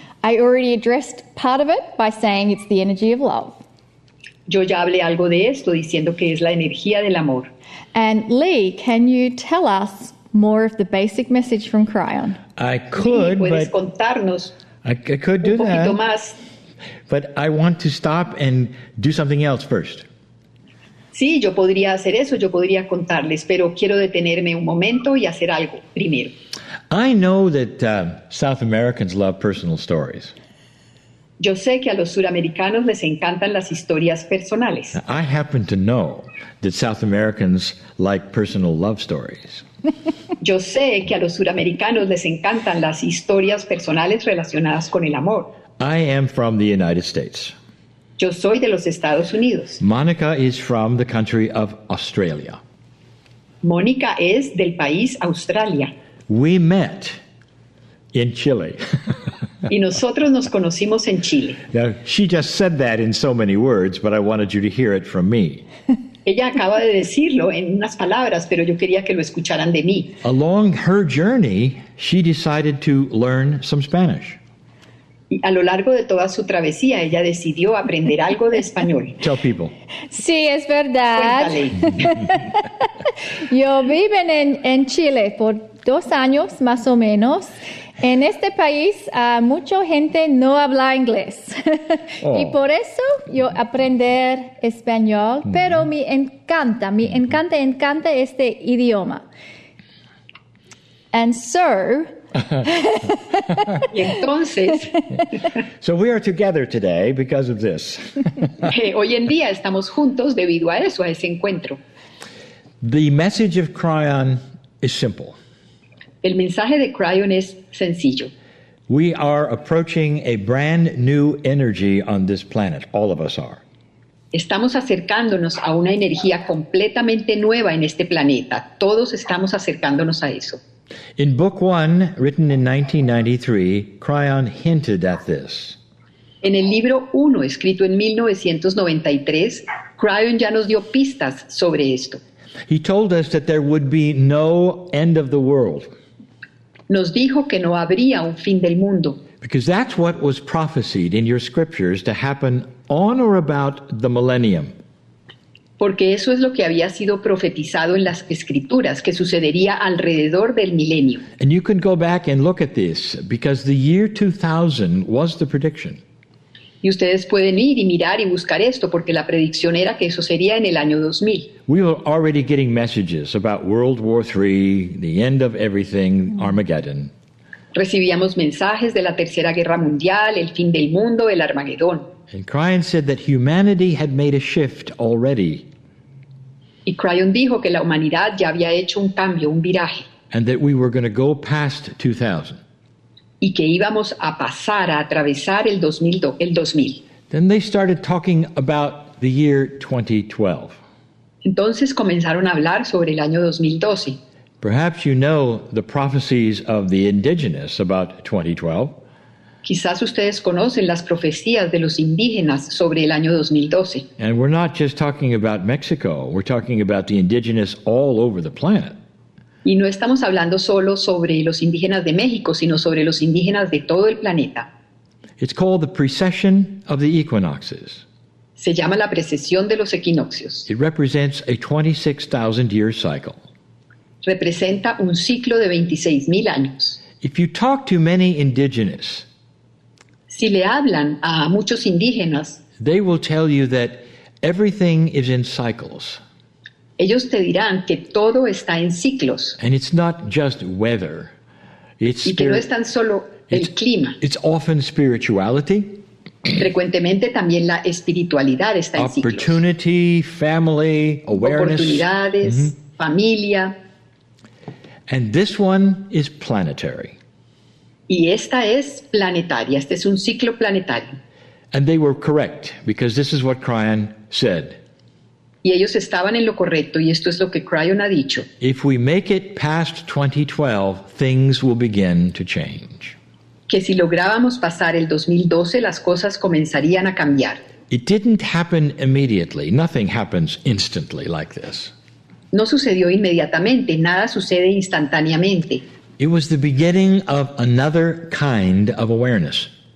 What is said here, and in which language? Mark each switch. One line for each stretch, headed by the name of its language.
English: I already addressed part of it by saying it's the energy of love.
Spanish: Yo ya hablé algo de esto diciendo que es la energía del amor.
English: And Lee, can you tell us more of the basic message from Kryon? I could, Lee, but
Spanish: contarnos
English: I could do
Spanish: un poquito Más.
English: But I want to stop and do something else first.
Spanish: Sí, yo podría hacer eso, yo podría contarles, pero quiero detenerme un momento y hacer algo primero.
English: I know that South Americans love personal stories.
Spanish: Yo sé que a los suramericanos les encantan las historias personales.
English: Now, I happen to know that South Americans like personal love stories.
Spanish: Yo sé que a los suramericanos les encantan las historias personales relacionadas con el amor.
English: I am from the United States.
Spanish: Yo soy de los Estados Unidos.
English: Monica is from the country of Australia.
Spanish: Monica es del país Australia.
English: We met in Chile.
Spanish: Y nosotros nos conocimos en Chile.
English: Now, she just said that in so many words, but I wanted you to hear it from me.
Spanish: Ella acaba de decirlo en unas palabras, pero yo quería que lo escucharan de mí.
English: Along her journey, she decided to learn some Spanish.
Spanish: Y a lo largo de toda su travesía, ella decidió aprender algo de español.
English: Tell people.
Spanish: Sí, es verdad. Cuéntale. Yo vivo en Chile por 2 años, más o menos. En este país, mucha gente no habla inglés. Oh. Y por eso yo aprender español, mm-hmm. pero me encanta este idioma.
English: And so...
Spanish: Y entonces...
English: So we are together today because of this.
Spanish: Hoy en día estamos juntos debido a eso, a ese encuentro.
English: The message of Cryon is simple.
Spanish: El mensaje de Cryon es sencillo.
English: We are approaching a brand new energy on this planet. All of us are.
Spanish: Estamos acercándonos a una energía completamente nueva en este planeta. Todos estamos acercándonos a eso.
English: In book one, written in 1993, Cryon hinted at this.
Spanish: En el libro 1, escrito en 1993, Cryon ya nos dio pistas sobre esto.
English: He told us that there would be no end of the world.
Spanish: Nos dijo que no habría un fin del mundo.
English: Because that's what was prophesied in your scriptures to happen on or about the millennium.
Spanish: Porque eso es lo que había sido profetizado en las escrituras, que sucedería alrededor del milenio.
English: And you can go back and look at this, because the year 2000 was the prediction.
Spanish: Y ustedes pueden ir y mirar y buscar esto, porque la predicción era que eso sería en el año 2000.
English: We were already getting messages about World War III, the end of everything, Armageddon.
Spanish: Recibíamos mensajes de la Tercera Guerra Mundial, el fin del mundo, el Armagedón.
English: And Cryon said that humanity had made a shift already.
Spanish: Y Cryon dijo que la humanidad ya había hecho un cambio, un viraje.
English: And that we were going to go past 2000.
Spanish: Y que íbamos a pasar, a atravesar el 2000, el 2000.
English: Then they started talking about the year 2012.
Spanish: Entonces comenzaron a hablar sobre el año 2012.
English: Perhaps you know the prophecies of the indigenous about 2012.
Spanish: Quizás ustedes conocen las profecías de los indígenas sobre el año 2012.
English: And we're not just talking about Mexico, we're talking about the indigenous all over the planet.
Spanish: Y no estamos hablando solo sobre los indígenas de México, sino sobre los indígenas de todo el planeta.
English: It's called the precession of the equinoxes.
Spanish: Se llama la precesión de los equinoccios.
English: It represents a 26,000 year cycle.
Spanish: Representa un ciclo de 26,000 años.
English: If you talk to many indigenous,
Spanish: si le hablan a muchos indígenas,
English: they will tell you that everything is in cycles.
Spanish: Ellos te dirán que todo está en ciclos.
English: And it's not just weather. It's
Spanish: y que no es tan solo el clima.
English: It's often spirituality.
Spanish: Frecuentemente también la espiritualidad está en ciclos.
English: Opportunity, family, awareness.
Spanish: Oportunidades, mm-hmm. familia.
English: And this one is planetary.
Spanish: Y esta es planetaria, este es un ciclo planetario.
English: And they were correct, because this is what Cryon said.
Spanish: Y ellos estaban en lo correcto, y esto es lo que Cryon ha dicho.
English: If we make it past 2012, things will begin to change.
Spanish: Que si lográbamos pasar el 2012, las cosas comenzarían a cambiar.
English: It didn't happen immediately, nothing happens instantly like this.
Spanish: No sucedió inmediatamente, nada sucede instantáneamente.
English: It was the beginning of another kind of awareness.